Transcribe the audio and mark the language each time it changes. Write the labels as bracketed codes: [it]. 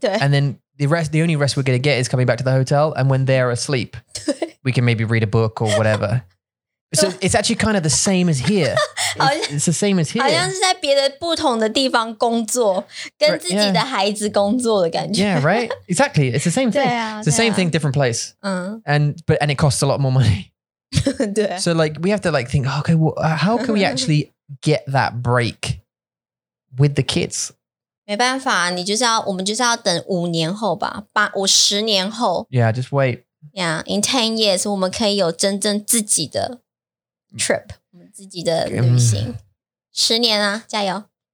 [en] And then the only rest we're going to get is coming back to the hotel. And when they're asleep, we can maybe read a book or whatever. So it's actually kind of the same as here. It's the same as here. [zh] 好像是在别的不同的地方工作，跟自己的孩子工作的感觉。 [en] Yeah, right? Exactly. It's the same thing. [zh] 对啊, [en] it's the same thing, different place. And it costs a lot more money. [zh] 对。 [en] So like, we have to like think, okay, well, how can we actually get that break with the kids? [zh] 没办法，你就是要，我们就是要等五年后吧，八，五十年后。 [en] Yeah, just wait. Yeah, in 10 years, [zh] 我们可以有真正自己的 [en] trip. [zh] 自己的旅行，十年啊，加油